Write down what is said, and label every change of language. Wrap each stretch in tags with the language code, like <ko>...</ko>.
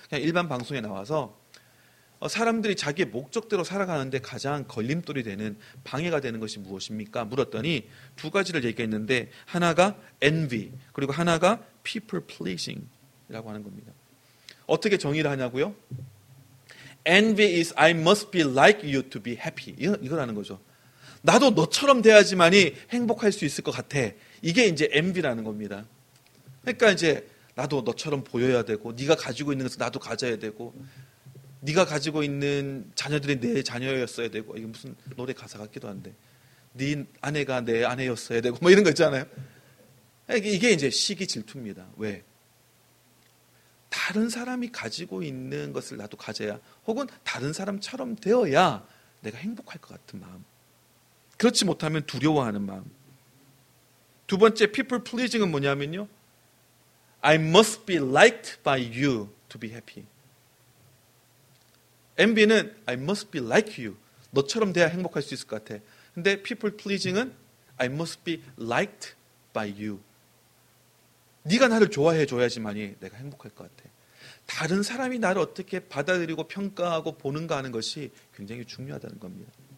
<ko>그냥 일반 방송에 나와서 사람들이 자기의 목적대로 살아가는데 가장 걸림돌이 되는, 방해가 되는 것이 무엇입니까? 물었더니 두 가지를 얘기했는데 하나가 envy, 그리고 하나가 people pleasing이라고 하는 겁니다. 어떻게 정의를 하냐고요?</ko> <en>Envy is I must be like you to be happy.</en> <ko>이거라는 거죠. 나도 너처럼 돼야지만이 행복할 수 있을 것 같아. 이게 이제 envy라는 겁니다. 그러니까 이제 나도 너처럼 보여야 되고, 네가 가지고 있는 것을 나도 가져야 되고, 네가 가지고 있는 자녀들이 내 자녀였어야 되고, 이게 무슨 노래 가사 같기도 한데, 네 아내가 내 아내였어야 되고 뭐 이런 거 있잖아요. 이게 이제 시기 질투입니다. 왜? 다른 사람이 가지고 있는 것을 나도 가져야, 혹은 다른 사람처럼 되어야 내가 행복할 것 같은 마음. 그렇지 못하면 두려워하는 마음. 두 번째</ko> <en>people pleasing은</en> <ko>뭐냐면요,</ko> <en>I must be liked by you to be happy. Envy는 I must be like you.</en> <ko>너처럼 돼야 행복할 수 있을 것 같아. 근데 people pleasing은</ko> <en>I must be liked by you.</en> <ko>네가 나를 좋아해 줘야지만이 내가 행복할 것 같아. 다른 사람이 나를 어떻게 받아들이고 평가하고 보는가 하는 것이 굉장히 중요하다는 겁니다.</ko>